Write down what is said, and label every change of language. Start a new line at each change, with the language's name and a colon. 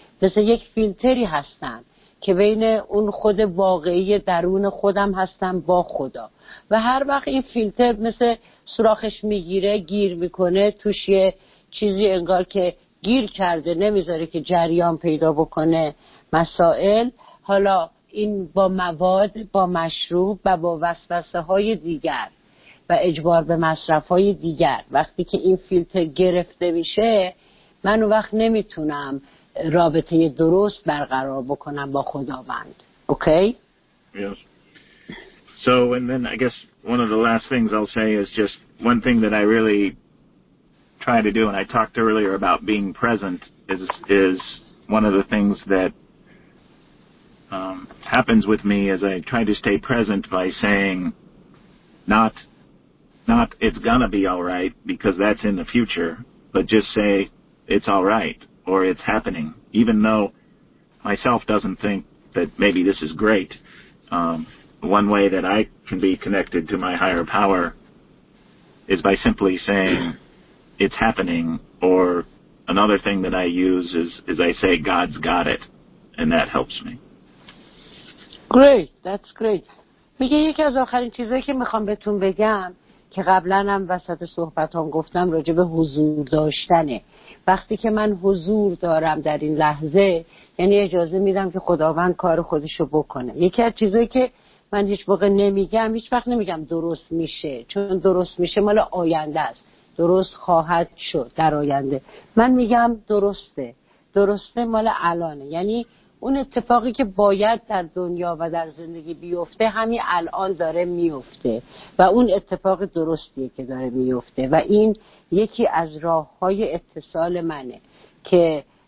Persian: مثل یک فیلتری هستم که بین اون خود واقعی درون خودم هستم با خدا، و هر وقت این فیلتر مثل سوراخش میگیره گیر میکنه توش یه چیزی انگار که گیر کرده، نمیذاره که جریان پیدا بکنه مسائل، حالا این با مواد، با مشروب و با وسوسه های دیگر و اجبار به مصرف های دیگر، وقتی که این فیلتر گرفته میشه من اون وقت نمیتونم رابطه درست برقرار بکنم با خداوند.
English: Okay? Yes. So, and then I guess one of the last things I'll say is just one thing that I really try to do, and I talked earlier about being present, is one of the things that happens with me as I try to stay present by saying, not it's gonna be all right, because that's in the future, but just say it's all right, or it's happening, even though myself doesn't think that maybe this is great. One way that I can be connected to my higher power is by simply saying it's happening, or another thing that I use is I say God's got it, and that helps me. Great, that's great.
Persian: میگه یکی از آخرین چیزایی که میخوام بهتون بگم که قبلا هم وسط صحبتام گفتم راجع به حضور داشتنه. وقتی که من حضور دارم در این لحظه، یعنی اجازه میدم که خداوند کار خودشو بکنه. یکی از چیزایی که من هیچ واقع نمیگم، هیچ وقت نمیگم درست میشه، چون درست میشه مال آینده است، درست خواهد شد در آینده، من میگم درسته، درسته مال الانه، یعنی اون اتفاقی که باید در دنیا و در زندگی بیفته همین الان داره میفته و اون اتفاق درستیه که داره میفته، و این یکی از راه های اتصال منه که